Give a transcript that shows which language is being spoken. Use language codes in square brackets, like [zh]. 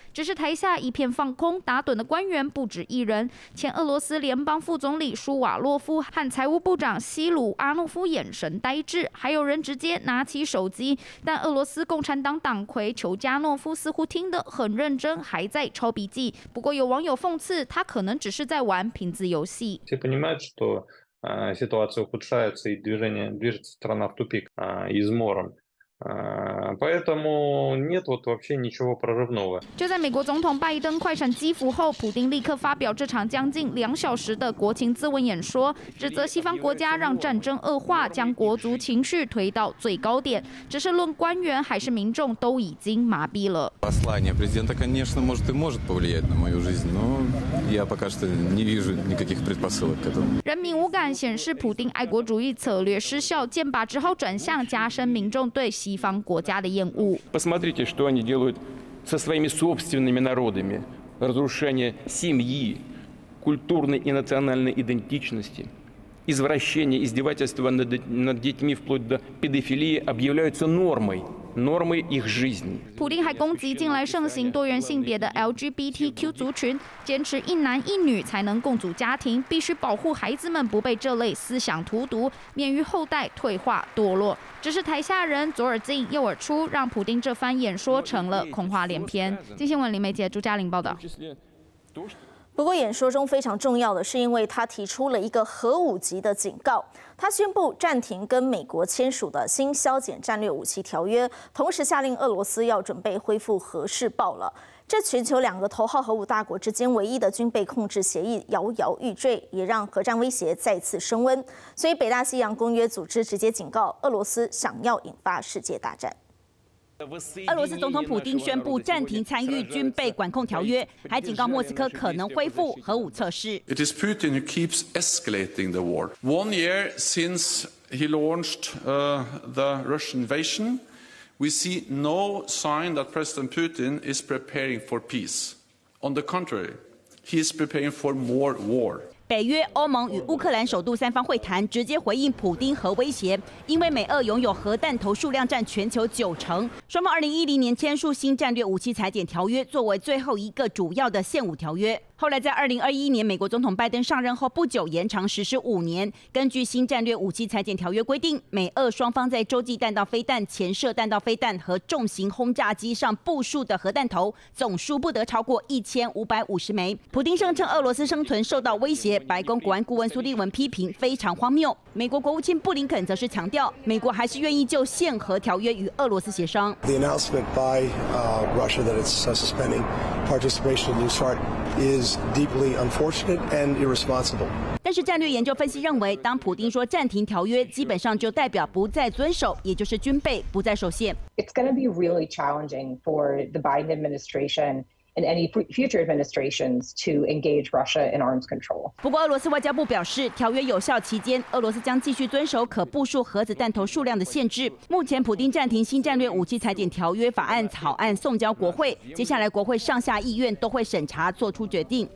[zh] 只是台下一片放空，打盹的官员不止一人，前俄罗斯联邦副总理舒瓦洛夫和财务部长希鲁阿诺夫眼神呆滞，还有人直接拿起手机。但俄罗斯共产党党魁裘加诺夫似乎听得很认真，还在抄笔记。不过有网友讽刺他可能只是在玩瓶子游戏。 [ru] Все понимают, что ситуация ухудшается и движется страна в тупик, измором. Поэтому нет вот вообще ничего прорывного. [zh] 就在美国总统拜登快闪基辅后，普丁立刻发表这场将近两小时的国情咨文演说，指责西方国家让战争恶化，将国族情绪推到最高点。只是论官员还是民众，都已经麻痹了。 [ru] Послание президента, конечно, может и может повлиять на мою жизнь, но я пока что не вижу никаких предпосылок к этому. [zh] 人民无感显示普丁爱国主义策略失效，剑拔之后转向加深民众对西方国家的厌恶。 [ru] Посмотрите, что они делают со своими собственными народами. Разрушение семьи, культурной и национальной идентичности, извращение, издевательство над детьми вплоть до педофилии объявляются нормой. Нормы их жизни. [zh] 普丁还攻击近来盛行多元性别的 LGBTQ 族群，坚持一男一女才能共组家庭，必须保护孩子们不被这类思想荼毒，免于后代退化堕落。只是台下人左耳进右耳出，让普丁这番演说成了空话连篇。金星文林媒介朱嘉玲报道。不过演说中非常重要的是，因为他提出了一个核武级的警告，他宣布暂停跟美国签署的新削减战略武器条约，同时下令俄罗斯要准备恢复核试爆了。这全球两个头号核武大国之间唯一的军备控制协议摇摇欲坠，也让核战威胁再次升温。所以北大西洋公约组织直接警告俄罗斯想要引发世界大战。俄罗斯总统普丁宣布暂停参与军备管控条约，还警告莫斯科可能恢复核武测试。 [en] It is Putin who keeps escalating the war. One year since he launched the Russian invasion, we see no sign that President Putin is preparing for peace. On the contrary, he is preparing for more war. [zh] 北约、欧盟与乌克兰首度三方会谈，直接回应普丁核威胁。因为美俄拥有核弹头数量占全球九成，双方2010年签署新战略武器裁减条约，作为最后一个主要的限武条约。后来在2021年，美国总统拜登上任后不久，延长实施五年。根据新战略武器裁减条约规定，美俄双方在洲际弹道飞弹、潜射弹道飞弹和重型轰炸机上部署的核弹头总数不得超过1550枚。普丁声称俄罗斯生存受到威胁，白宫国安顾问苏利文批评非常荒谬。美国国务卿布林肯则是强调，美国还是愿意就限核条约与俄罗斯协商。 [en] The announcement by Russia that it's suspending participation in New START is deeply unfortunate and irresponsible. [zh] 但是战略研究分析认为，当普丁说暂停条约，基本上就代表不再遵守，也就是军备不再受限。 [en] It's going to be really challenging for the Biden administration. And any future administrations to engage Russia in arms control. [zh] 不过，俄罗斯外交部表示，条约有效期间，俄罗斯将继续遵守可部署核子弹头数量的限制。目前，普丁暂停新战略武器裁减条约法案草案送交国会，接下来国会上下议院都会审查，做出决定。